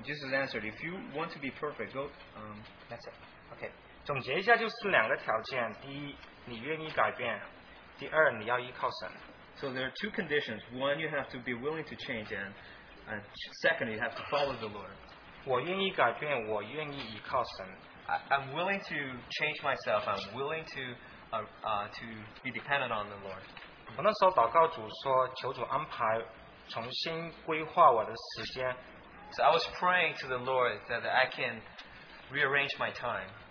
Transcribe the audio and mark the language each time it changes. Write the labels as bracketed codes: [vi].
[en] Jesus answered, if you want to be perfect, go. That's it. Okay. [zh] 总结一下就是两个条件，第一，你愿意改变；第二，你要依靠神。 [en] So there are two conditions. One, you have to be willing to change, and second, you have to follow the Lord. [zh] 我愿意改变，我愿意依靠神。I'm [en] willing to change myself. I'm willing to be dependent on the Lord. [zh] 我那时候祷告主说，求主安排重新规划我的时间。So [en] I was praying to the Lord that I can rearrange my time.